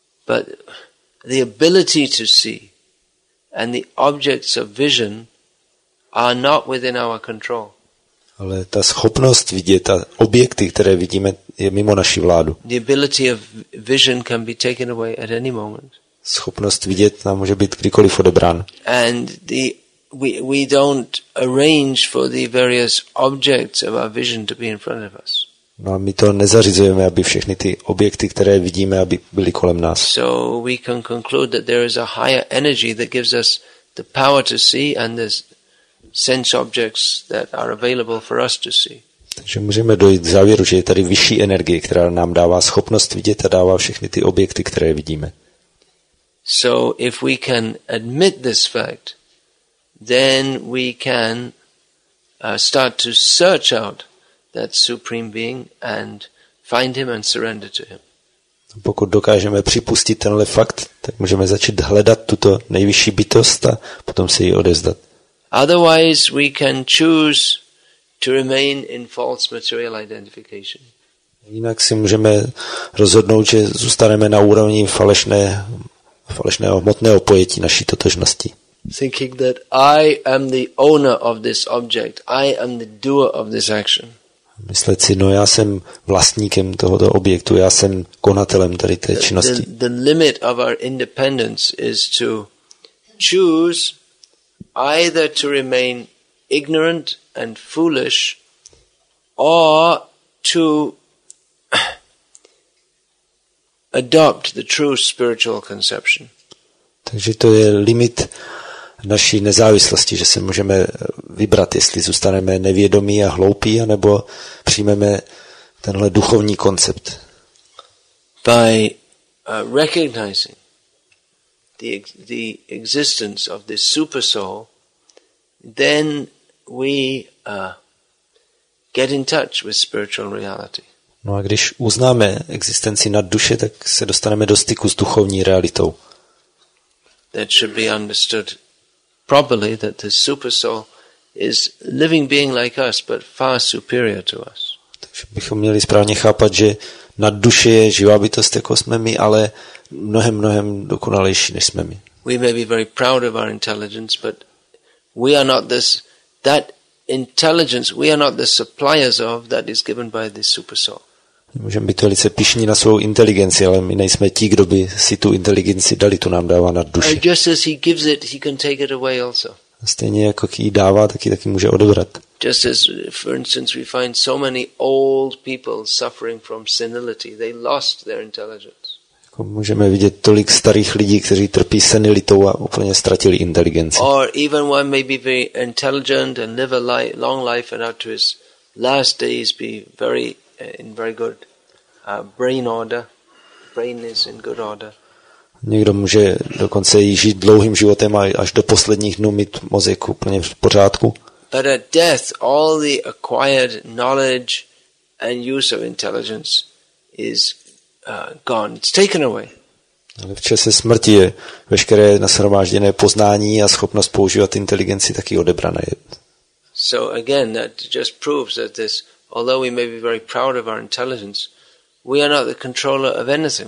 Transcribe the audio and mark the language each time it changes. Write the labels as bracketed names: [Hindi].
[English] But the ability to see and the objects of vision are not within our control. [Czech] Ale ta schopnost vidět a objekty, které vidíme, je mimo naši vládu. [English] The ability of vision can be taken away at any moment. [Czech] Schopnost vidět nám může být kdykoliv odebrán. [English] And we don't arrange for the various objects of our vision to be in front of us. [Czech] No a my to nezařizujeme, aby všechny ty objekty, které vidíme, aby byly kolem nás. [English] So we can conclude that there is a higher energy that gives us the power to see and there's sense objects that are available for us to see. [Czech] Takže můžeme dojít k závěru, že je tady vyšší energie, která nám dává schopnost vidět a dává všechny ty objekty, které vidíme. [English] So if we can admit this fact, then we can start to search out that supreme being and find him and surrender to him. [Czech] Pokud dokážeme připustit tenhle fakt, tak můžeme začít hledat tuto nejvyšší bytost a potom se jí odevzdat. [English] Otherwise we can choose to remain in false material identification. [Czech] Jinak si můžeme rozhodnout, že zůstaneme na úrovni falešného hmotného pojetí naší totožnosti. [English] Thinking that I am the owner of this object, I am the doer of this action. [Czech] Myslet si, no já jsem vlastníkem tohoto objektu, já jsem konatelem tady té činnosti. [English] The limit of our independence is to choose either to remain ignorant and foolish or to adopt the true spiritual conception. [Czech] Takže to je limit naší nezávislosti, že se můžeme vybrat, jestli zůstaneme nevědomí a hloupí, anebo přijmeme tenhle duchovní koncept. [English] By recognizing the existence of this super soul, then we get in touch with spiritual reality. [Czech] No a když uznáme existenci nad duše, tak se dostaneme do styku s duchovní realitou. [English] That should be understood properly, that the super soul is living being like us, but far superior to us. [Czech] Takže bychom měli správně chápat, že nad duše je živá bytost jako jsme my, ale mnohem, mnohem dokonalejší než jsme my. [English] We may be very proud of our intelligence, but we are not this, that intelligence, we are not the suppliers of, that is given by the super soul. [Czech] Můžeme být velice pyšní na svou inteligenci, ale my nejsme ti, kdo by si tu inteligenci dali, tu nám dává nad duši. [English] Just as he gives it, he can take it away also. [Czech] Stejně jako ji dává, tak ji taky může odebrat. [English] Just as, for instance, we find so many old people suffering from senility, they lost their intelligence. [Czech] Jako můžeme vidět tolik starých lidí, kteří trpí senilitou a úplně ztratili inteligenci. [English] Or even one may be very intelligent and live a long life and out to his last days be very in very good brain order. Brain is in good order. [Czech] Někdo může dokonce i žít dlouhým životem a až do posledních dnů mít mozek úplně v pořádku. [English] But at death, all the acquired knowledge and use of intelligence is gone. It's taken away. [Czech] Ale v čase smrti je veškeré nashromážděné poznání a schopnost používat inteligenci taky odebrané. [English] So again, that just proves that this, although we may be very proud of our intelligence, we are not the controller of anything.